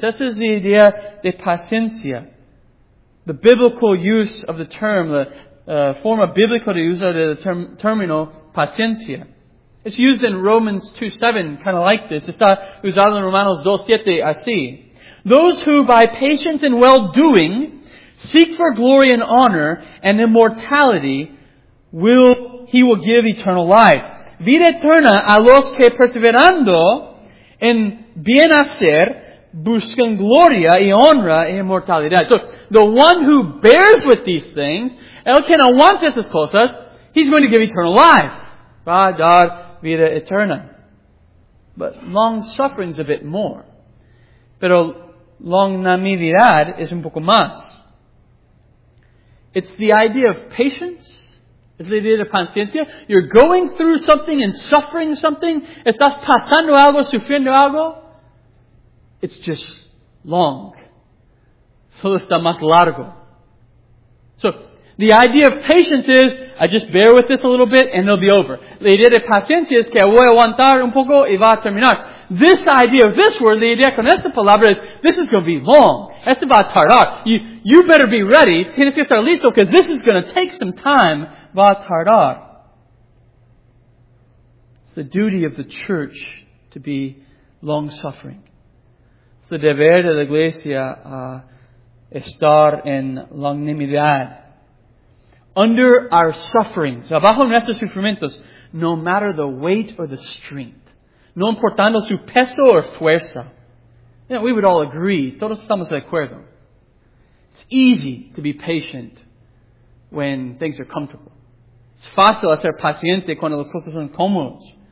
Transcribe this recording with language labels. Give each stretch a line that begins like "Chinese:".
English: This is the idea de paciencia. The biblical use of the term, the form of biblical use of the terminal paciencia. It's used in Romans 2:7, kind of like this.
Spanish: Está usado en Romanos 2:7, así.
English: Those who by patience and well-doing seek for glory and honor and immortality, he will give eternal life.
Spanish: Vida eterna a los que perseverando en bien hacer, buscan gloria y honra y inmortalidad.
English: So, the one who bears with these things,
Spanish: él que no aguanta estas cosas,
English: he's going to give eternal life.
Spanish: Va a dar vida eterna.
English: But long suffering is a bit more.
Spanish: Pero longanimidad es un poco más.
English: It's the idea of patience.
Spanish: Es la idea de paciencia.
English: You're going through something and suffering something.
Spanish: Estás pasando algo, sufriendo algo.
English: It's just long.
Spanish: Solo está más largo.
English: So, the idea of patience is, I just bear with this a little bit and it'll be over.
Spanish: La idea de paciencia es que voy a aguantar un poco y va a terminar.
English: This idea of this word,
Spanish: la idea con esta palabra
English: is, this is going to be long.
Spanish: Esto va a tardar.
English: You better be ready.
Spanish: Tienes que estar listo
English: because this is going to take some time.
Spanish: Va a tardar.
English: It's the duty of the church to be long-suffering.
Spanish: Es el deber de la iglesia a estar en longanimidad.
English: under our sufferings,
Spanish: abajo nuestros sufrimientos,
English: no matter the weight or the strength,
Spanish: no importando su peso o fuerza.
English: You know, we would all agree,
Spanish: todos estamos de acuerdo.
English: It's easy to be patient when things are comfortable.
Spanish: Es fácil ser paciente cuando las cosas son cómodas.